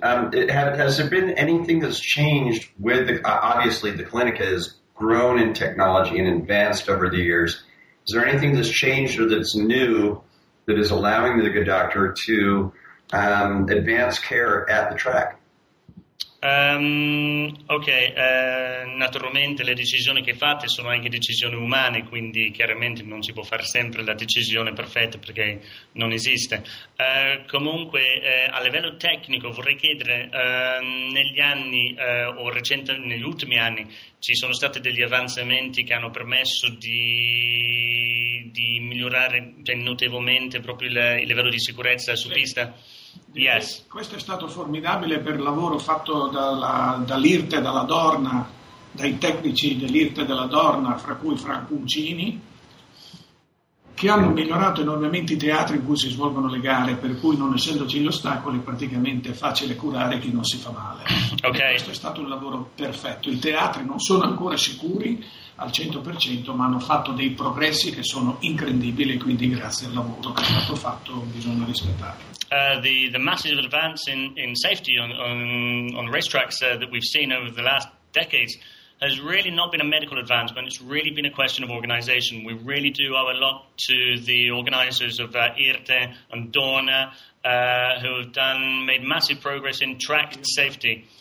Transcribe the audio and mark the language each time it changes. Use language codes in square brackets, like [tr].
[en] Has there been anything that's changed with obviously the Clinica has grown in technology and advanced over the years? Is there anything that's changed or that's new that is allowing the good doctor to advance care at the track? [it] Okay, naturalmente le decisioni che fate sono anche decisioni umane, quindi chiaramente non si può fare sempre la decisione perfetta perché non esiste. Comunque, a livello tecnico vorrei chiedere, negli anni o recente, negli ultimi anni, ci sono stati degli avanzamenti che hanno permesso di migliorare notevolmente proprio il livello di sicurezza su pista? [en] Yes. [it] Questo è stato formidabile per il lavoro fatto dall'IRT e dalla Dorna, dai tecnici dell'IRT e della Dorna, fra cui Frank Puncini, che hanno migliorato enormemente i teatri in cui si svolgono le gare, per cui non essendoci gli ostacoli praticamente è facile curare chi non si fa male. Okay. Questo è stato un lavoro perfetto. I teatri non sono ancora sicuri al 100%, ma hanno fatto dei progressi che sono incredibili, quindi grazie al lavoro che è stato fatto bisogna rispettarlo. [en] The massive advance in safety on racetracks that we've seen over the last decades has really not been a medical advancement. It's really been a question of organization. We really do owe a lot to the organizers of IRTE and Dorna, who have made massive progress in track safety.